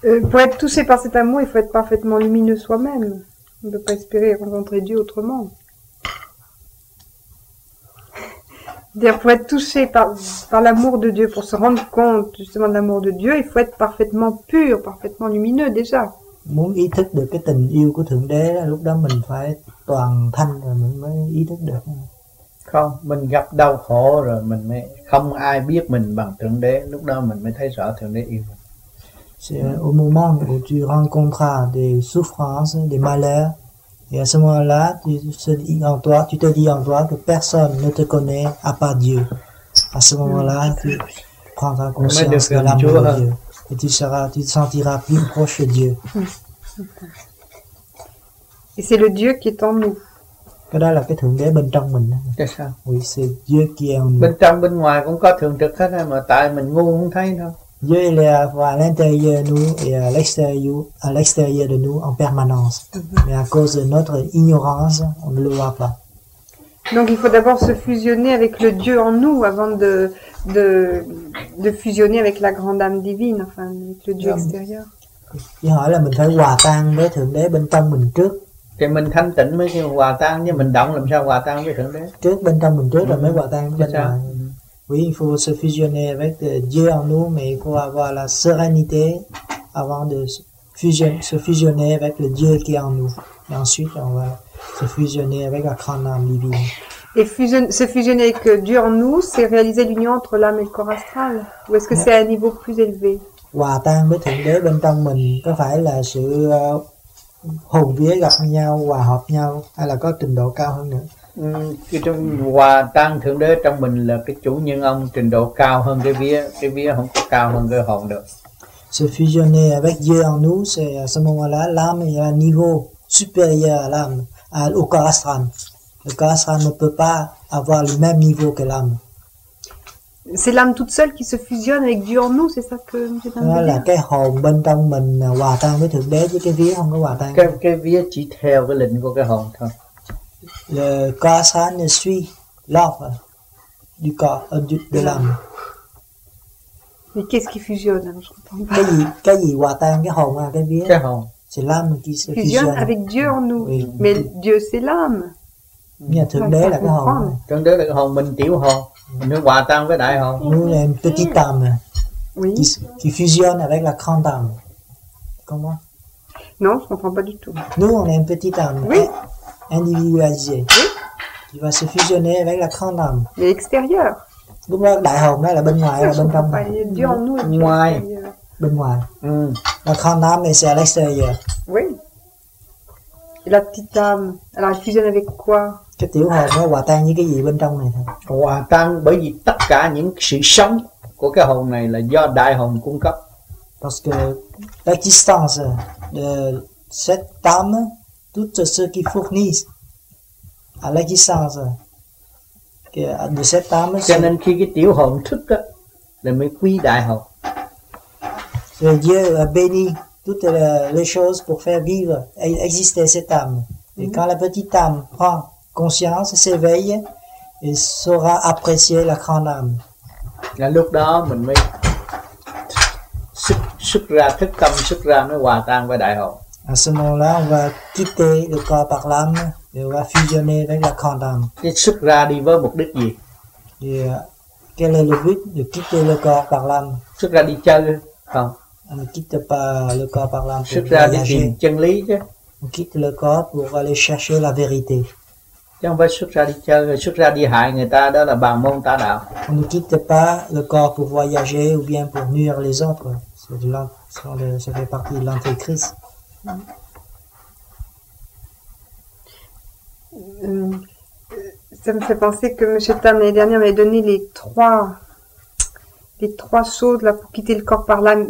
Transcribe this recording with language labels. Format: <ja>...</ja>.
<fr>Pour être touché par cet amour, il faut être parfaitement lumineux soi-même. On ne peut pas espérer rencontrer Dieu autrement. C'est-à-dire, pour être touché par l'amour de Dieu, pour se rendre compte justement de l'amour de Dieu, il faut être parfaitement pur, parfaitement lumineux déjà.</fr> <vi>Muốn ý thức được cái tình yêu của Thượng Đế, lúc đó mình phải toàn thanh rồi mình mới ý thức được. Không, mình gặp đau khổ rồi mình mới không ai biết mình bằng Thượng Đế, lúc đó mình mới thấy rõ Thượng Đế yêu mình.</vi> <fr>C'est au moment où tu rencontres des souffrances, des malheurs, et à ce moment-là, tu te dis en toi que personne ne te connaît à part Dieu. À ce moment-là, tu prendras conscience de l'amour de Dieu. Et tu te sentiras plus proche de Dieu. Et c'est le Dieu qui est en nous.</fr> <vi>Cái đó là cái Thượng Đế bên trong mình.</vi> <fr>C'est ça. Oui, c'est Dieu qui est en nous.</fr> <vi>Bên trong, bên ngoài cũng có thường trực hết, mà tại mình ngu không thấy thôi.</vi> <fr>Dieu est là à l'intérieur de nous et à l'extérieur de nous en permanence. Mais à cause de notre ignorance, on ne le voit pas. Donc il faut d'abord se fusionner avec le Dieu en nous avant de fusionner avec la grande âme divine, enfin avec le Dieu extérieur.</fr> <vi>Il hỏi là mình phải hòa tan với Thượng Đế bên trong mình trước. Thì mình thanh tịnh mới khi hòa tan, nhưng mình động làm sao hòa tan với Thượng Đế? Trước bên trong mình trước rồi mới hòa tan với bên ngoài.</vi> <fr>Oui, il faut se fusionner avec Dieu en nous, mais il faut avoir la sérénité avant de se fusionner avec le Dieu qui est en nous. Et ensuite, on va se fusionner avec la grande âme divine. Et se fusionner avec Dieu en nous, c'est réaliser l'union entre l'âme et le corps astral? Ou est-ce que c'est à un niveau plus élevé?</fr> <vi>Hòa tan với Thượng Đế bên trong mình, có phải là sự hồn vía gặp nhau, hòa hợp nhau, hay là có trình độ cao hơn nữa? cái trong hòa tăng thượng đế trong mình là cái chủ nhân ông trình độ cao hơn cái vía không có cao hơn cái hồn được.</vi> <fr>Se fusionner avec Dieu en nous, c'est à ce moment-là l'âme est à un niveau supérieur à l'âme, au corps astral. Le corps astral ne peut pas avoir le même niveau que l'âme. C'est l'âme toute seule qui se fusionne avec Dieu en nous, c'est ça que j'ai entendu. Là,</fr> <vi>cái hồn bên trong mình hòa tan với thượng đế chứ cái vía không có hòa tan. Cái vía chỉ theo cái lệnh của cái hồn thôi.</vi> <fr>Le corps astral ne suit l'âme du corps de l'âme. Mais qu'est-ce qui fusionne? Je comprends pas.</fr> <vi>Cái gì hòa tan cái hồn à cái vía? Cái hồn.</vi> <fr>C'est l'âme qui se fusionne avec Dieu en nous. Oui. Mais Dieu c'est l'âme.</fr> <vi>Nghĩa thượng đế là cái hồn. Thượng đế là cái hồn, mình tiểu hồn. Nó hòa tan với đại hồn.</vi> <fr>Nous là une petite âme. Oui. Qui fusionne avec la grande âme. Comment? Non, je comprends pas du tout. Nous, on est une petite âme. Oui. Individualisée. Oui. Qui va se fusionner avec la grande âme. Mais extérieur.</fr> <vi>Đúng rồi, đại hồn đó là bên ngoài, là bên trong. Ngoài. Bên ngoài. Ừ.</vi> <fr>La grande âme, mais c'est à l'extérieur. Oui. Et la petite âme, elle fusionne avec quoi?</fr> <vi>Cái tiểu hồn nó hòa tan với cái gì bên trong này thôi. Hòa tan bởi vì tất cả những sự sống của cái hồn này là do đại hồn cung cấp.</vi> <fr>Parce que l'existence de cette âme, tout ce qui fournit à l'existence de cette âme.</fr> <vi>Cho nên khi cái tiểu hồn thức đó, là mới quý đại hồn.</vi> <fr>Le Dieu a béni toutes les choses pour faire vivre et exister cette âme. Et quand la petite âme prend conscience, s'éveille et saura apprécier la grande âme.</fr> <vi>Là lúc đó mình mới xuất ra thức tâm, xuất ra mới hòa tan với đại hồn.</vi> <fr>À ce moment-là, on va quitter le corps par l'âme et on va fusionner avec la grande âme.</fr> <vi>Cái xuất ra đi với mục đích gì?</vi> <fr>Quel est le but de quitter le corps par l'âme?</fr> <vi>Xuất ra đi chơi, không?</vi> <fr>On quitte pas le corps par l'âme.</fr> <vi>Xuất ra đi tìm chân lý chứ.</vi> <fr>On quitte le corps pour aller chercher la vérité.</fr> <vi>Chứ không phải xuất ra đi chơi, xuất ra đi hại người ta, đó là bàn môn tà đạo.</vi> <fr>On ne quitte pas le corps pour voyager ou bien pour nuire les autres. Ça fait partie de l'antéchrist. Ça me fait penser que M. Tan l'année dernière m'avait donné les trois choses là pour quitter le corps par l'âme.</fr>